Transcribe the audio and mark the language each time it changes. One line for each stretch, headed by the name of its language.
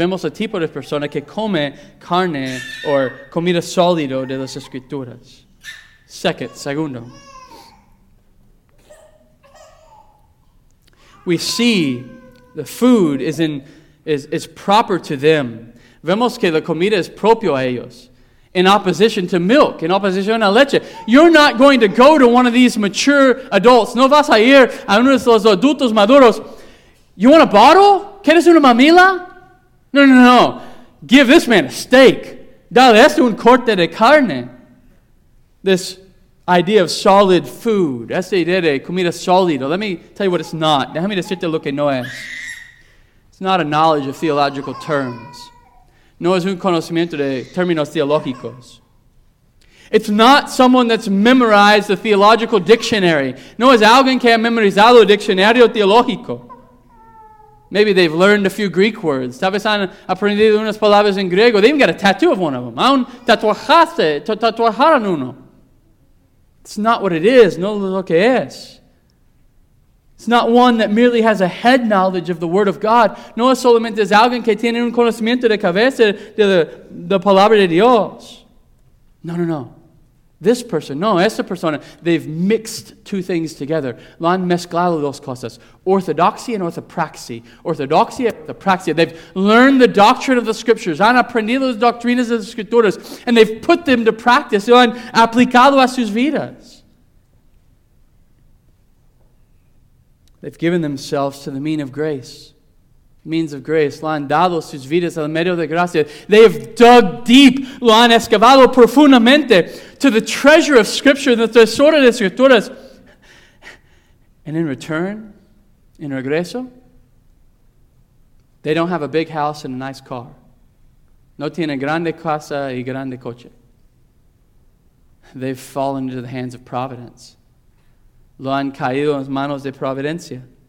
Spanish: Vemos el tipo de persona que come carne o comida sólida de las Escrituras.
English: Segundo, we see the food is proper to them.
Spanish: Vemos que la comida es propio a ellos.
English: In opposition to milk, in opposition to leche. You're not going to go to one of these mature adults.
Spanish: No vas a ir a uno de los adultos maduros.
English: You want a bottle?
Spanish: ¿Quieres una mamila?
English: No. Give this man a steak.
Spanish: Dale esto un corte de carne.
English: This idea of solid food.
Spanish: Esta idea de comida sólida.
English: Let me tell you what it's not.
Spanish: Déjame decirte lo que no es.
English: It's not a knowledge of theological terms.
Spanish: No es un conocimiento de términos teológicos.
English: It's not someone that's memorized the theological dictionary.
Spanish: No es alguien que ha memorizado el diccionario teológico.
English: Maybe they've learned a few Greek words.
Spanish: Tal vez han aprendido unas palabras en griego.
English: They even got a tattoo of one of them.
Spanish: Aún tatuajaron uno.
English: It's not what it is.
Spanish: No es lo que es.
English: It's not one that merely has a head knowledge of the Word of God.
Spanish: No es solamente es alguien que tiene un conocimiento de cabeza de la Palabra de Dios. No.
English: This person,
Spanish: no, esta persona,
English: they've mixed two things together.
Spanish: Lo han mezclado dos cosas.
English: Orthodoxy and orthopraxy. Orthodoxy and orthopraxy. They've learned the doctrine of the Scriptures.
Spanish: Han aprendido las doctrinas de las Escrituras.
English: And they've put them to practice.
Spanish: Lo han aplicado a sus vidas.
English: They've given themselves to the mean of grace. Means of grace.
Spanish: Lo han dado sus vidas al medio de gracia.
English: They have dug deep.
Spanish: Lo han excavado profundamente
English: to the treasure of Scripture, the
Spanish: tesoro de Escrituras.
English: And in return, in regreso, they don't have a big house and a nice car.
Spanish: No tiene grande casa y grande coche.
English: They've fallen into the hands of providence.
Spanish: Lo han caído en manos de providencia.